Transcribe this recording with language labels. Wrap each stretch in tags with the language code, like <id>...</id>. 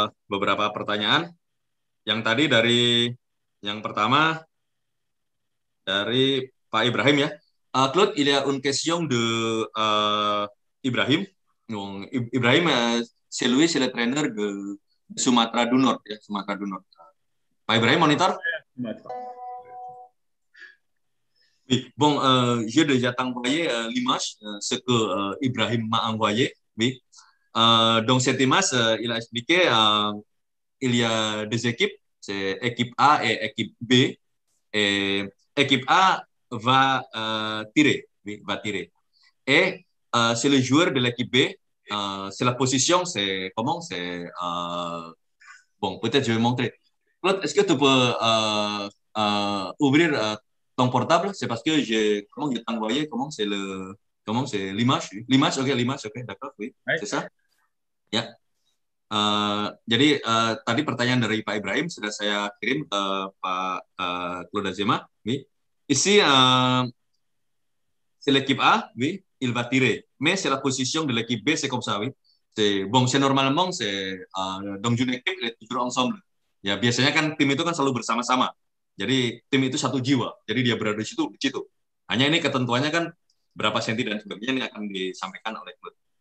<id>Beberapa pertanyaan yang tadi dari yang pertama dari Pak Ibrahim ya.</id> <fr>Claude, il y a une question de Ibrahim. Ibrahim c'est lui, c'est le trainer de Sumatra du Nord ya, Sumatra du Nord. Pak Ibrahim monitor. Bon, j'ai déjà envoyé l'image ce que Ibrahim m'a envoyé. Donc cette image, il a expliqué il y a deux équipes, c'est équipe A et équipe B. Et équipe A va tirer. Et c'est le joueur de l'équipe B. C'est la position, c'est comment, c'est bon. Peut-être je vais montrer. Claude, est-ce que tu peux ouvrir ton portable? C'est parce que comment je t'ai envoyé, comment c'est le comment c'est l'image? L'image, ok, l'image, ok, d'accord, oui, c'est ça.</fr> <id>Ya, jadi tadi pertanyaan dari Pak Ibrahim sudah saya kirim ke Pak Claude Azema.</id> <fr>Ici, c'est l'équipe A, oui, il va tirer. Mais c'est la position de l'équipe B, c'est comme ça, oui. C'est normalement, c'est dans une équipe, c'est toujours ensemble.</fr> <id>Ya, biasanya kan tim itu kan selalu bersama-sama. Jadi tim itu satu jiwa, jadi dia berada di situ. Hanya ini ketentuannya kan berapa senti dan sebagainya ini akan disampaikan oleh Claude.</id>